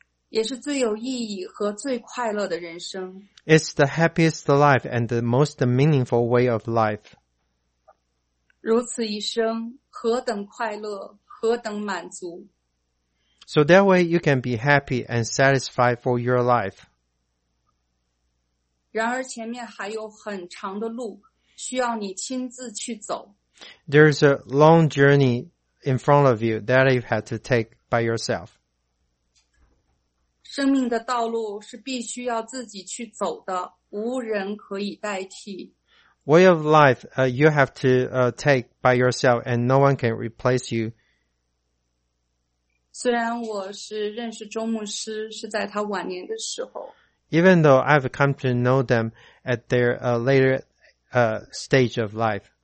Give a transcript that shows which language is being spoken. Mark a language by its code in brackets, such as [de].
[zh] 也是最有意义和最快乐的人生。 [en] It's the happiest life and the most meaningful way of life. [zh] 如此一生，何等快乐，何等满足。 [en] So that way you can be happy and satisfied for your life. [zh] 然而前面还有很长的路，需要你亲自去走。 [en] There's a long journey in front of you that you've had to take by yourself. [zh] 生命的道路是必须要自己去走的，无人可以代替。 [en] Way of life, you have to, take by yourself and no one can replace you. [zh] 虽然我是认识周牧师是在他晚年的时候。 [en] Even though I've come to know them at their, later, stage of life.